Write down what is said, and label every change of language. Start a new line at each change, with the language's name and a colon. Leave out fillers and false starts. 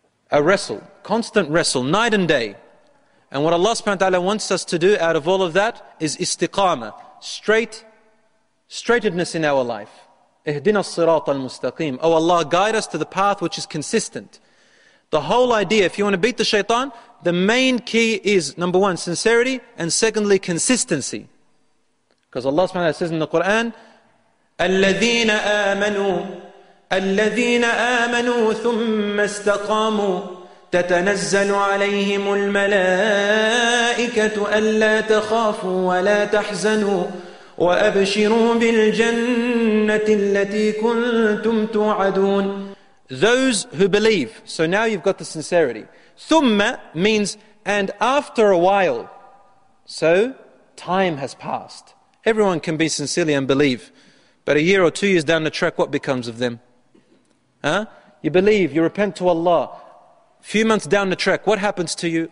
English: A wrestle, constant wrestle, night and day. And what Allah subhanahu wa ta'ala wants us to do out of all of that is istiqamah, straightedness in our life.
Arabic: Ihdina as-sirat al-mustaqim.
English: Oh Allah, guide us to the path which is consistent. The whole idea, if you want to beat the shaitan, the main key is, number one, sincerity, and secondly, consistency. Because Allah subhanahu wa ta'ala says in the Quran,
Arabic: الَّذِينَ آمَنُوا الَّذِينَ آمَنُوا ثُمَّ اسْتَقَامُوا تَتَنَزَّلُ عَلَيْهِمُ الْمَلَائِكَةُ أَلَّا تَخَافُوا وَلَا تَحْزَنُوا وَأَبْشِرُوا بِالْجَنَّةِ الَّتِي كُنْتُمْ تُوعَدُونَ.
English: Those who believe. So now you've got the sincerity. Thumma means, and after a while. So time has passed. Everyone can be sincerely and believe, but a year or 2 years down the track, what becomes of them? Huh? You believe, you repent to Allah. Few months down the track, what happens to you?